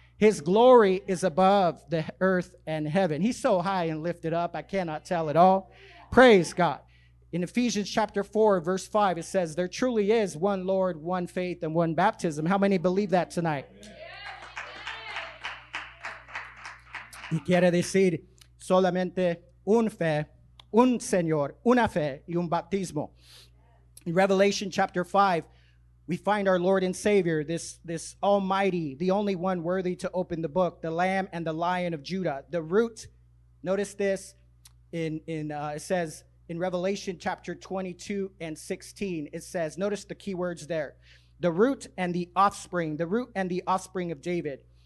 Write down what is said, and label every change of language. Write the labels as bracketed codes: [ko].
[en] His glory is above the earth and heaven. He's so high and lifted up, I cannot tell it all. Praise God. In Ephesians chapter 4, verse 5, it says, there truly is one Lord, one faith, and one baptism. How many believe that tonight? [es] Y quiere decir solamente un fe, un señor, una fe y un baptismo. [en] In Revelation chapter 5, we find our Lord and Savior, this almighty, the only one worthy to open the book, the Lamb and the Lion of Judah. The root, notice this, it says in Revelation chapter 22 and 16, it says, notice the key words there, the root and the offspring of David.